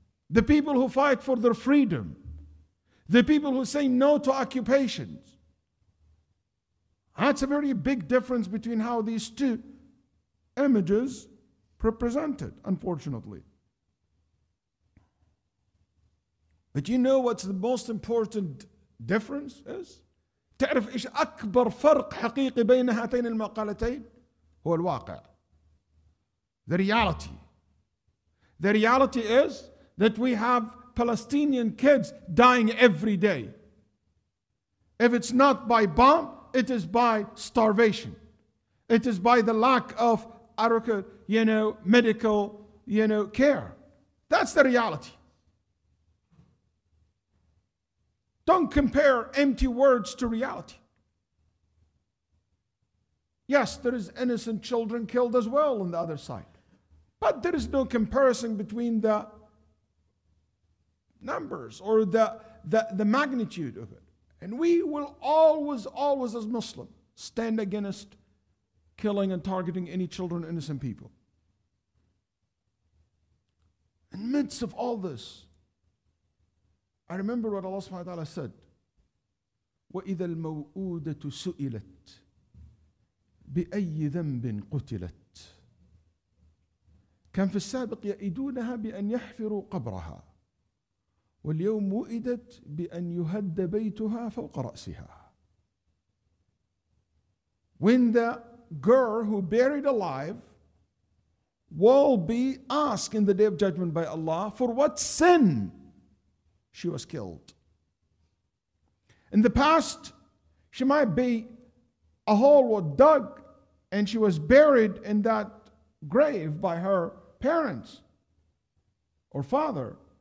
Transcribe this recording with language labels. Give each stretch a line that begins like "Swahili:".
English: The people who fight for their freedom. The people who say no to occupations. That's a very big difference between how these two images represented, unfortunately. But you know what's the most important difference is?
Arabic: تعرف إيش أكبر فرق حقيقي بين هاتين المقالتين؟ هو الواقع.
English: The reality. The reality is that we have Palestinian kids dying every day. If it's not by bomb, it is by starvation. It is by the lack of adequate, you know, medical, you know, care. That's the reality. Don't compare empty words to reality. Yes, there is innocent children killed as well on the other side. But there is no comparison between the numbers or the magnitude of it. And we will always as Muslim stand against killing and targeting any children, innocent people. In the midst of all this, I remember what Allah subhanahu wa ta'ala said,
Arabic: وَإِذَا الْمَوْءُودَةُ سُئِلَتْ بِأَيِّ ذَنْبٍ قُتِلَتْ كَانْ فِي السَّابِقِ يَئِدُونَهَا بِأَنْ يَحْفِرُوا قَبْرَهَا وَالْيَوْمُ وُئِدَتْ بِأَنْ يُهَدَّ بَيْتُهَا فَوْقَ رَأْسِهَا.
English: When the girl who buried alive will be asked in the Day of Judgment by Allah for what sin she was killed. In the past, she might be a hole was dug and she was buried in that grave by her parents or father.